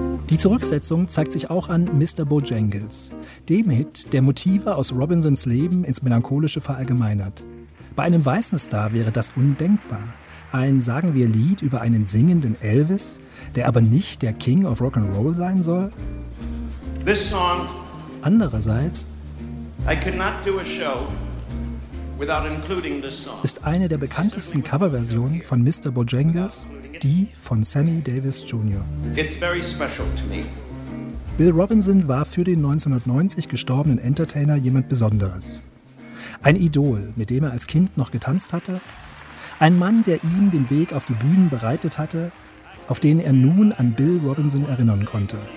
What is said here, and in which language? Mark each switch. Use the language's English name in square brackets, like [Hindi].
[German] Die Zurücksetzung zeigt sich auch an Mr. Bojangles, dem Hit, der Motive aus Robinsons Leben ins Melancholische verallgemeinert. Bei einem weißen Star wäre das undenkbar. Ein, sagen wir, Lied über einen singenden Elvis, der aber nicht der King of Rock'n'Roll sein soll? [English] This song. [German] Andererseits, [English] I could not do a show without including this song. [German] Ist eine der bekanntesten Coverversionen von Mr. Bojangles, die von Sammy Davis Jr. [English] It's very special to me. [German] Bill Robinson war für den 1990 gestorbenen Entertainer jemand Besonderes. Ein Idol, mit dem er als Kind noch getanzt hatte. Ein Mann, der ihm den Weg auf die Bühnen bereitet hatte, auf den er nun an Bill Robinson erinnern konnte.